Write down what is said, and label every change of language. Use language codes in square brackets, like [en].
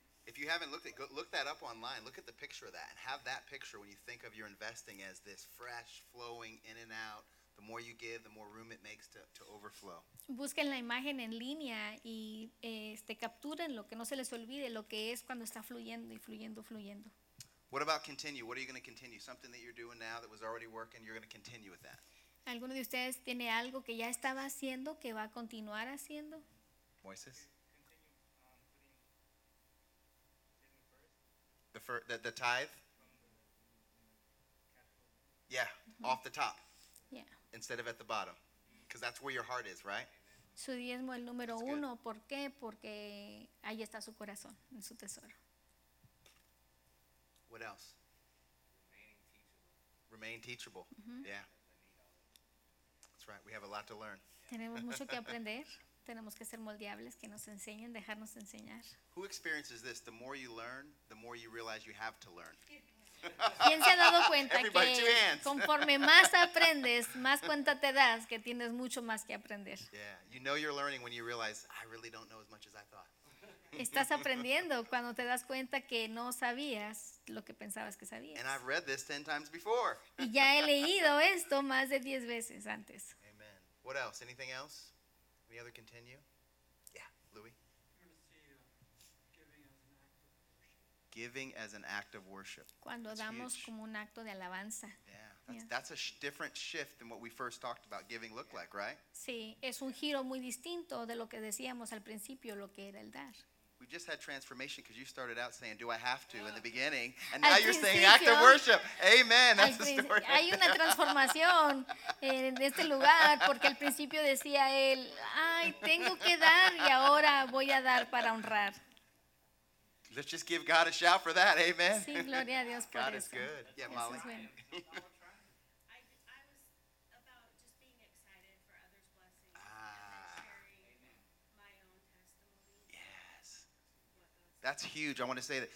[en] If you haven't looked at it, look that up online. Look at the picture of that and have that picture when you think of your investing as this fresh, flowing in and out. The more you give, the more room it makes to overflow. [es] Busquen la imagen en línea y capturen lo que no se les olvide, lo que es cuando está fluyendo y fluyendo, fluyendo. [en] What about continue? What are you going to continue? Something that you're doing now that was already working, you're going to continue with that. [es] ¿Alguno de ustedes tiene algo que ya estaba haciendo que va a continuar haciendo? Moises. [en] The tithe? Yeah, off the top. Yeah. Instead of at the bottom, because that's where your heart is, right? [es] Su diezmo el número uno. ¿Por qué? Porque ahí está su corazón, en su tesoro. [en] What else? Remain teachable. Mm-hmm. Yeah. That's right. We have a lot to learn. [es] Tenemos mucho que aprender. Tenemos que ser moldeables, que nos enseñen, dejarnos enseñar. [en] Who experiences this? The more you learn, the more you realize you have to learn. [es] ¿Quién se ha dado cuenta que conforme más aprendes, más cuenta te das que tienes mucho más que aprender? [en] Yeah, you know you're learning when you realize I really don't know as much as I thought. [es] Estás aprendiendo cuando te das cuenta que no sabías lo que pensabas que sabías. [en] And I've read this 10 times before. [es] Y ya he leído esto más de 10 veces antes. [en] Amen. What else? Anything else? Any other continue? Yeah, Louis. Giving as an act of worship. [es] Cuando [en] it's [es] damos [en] huge. [es] Como un acto de alabanza. [en] Yeah, that's a different shift than what we first talked about giving look like, right? [es] Sí, es un giro muy distinto de lo que decíamos al principio, lo que era el dar. [en] We just had transformation because you started out saying, "Do I have to?" In the beginning, and now you're saying, "Act of worship." Amen. That's the story. [es] Hay una transformación en este lugar porque al principio decía él, "Ay, tengo que dar y ahora voy a dar para honrar." [en] Let's just give God a shout for that. Amen. [es] Sí, gloria a Dios por [en] God Is good. Yeah, Molly. I was about just being excited for others' blessings and sharing my own testimony. Yes. That's huge. I want to say that.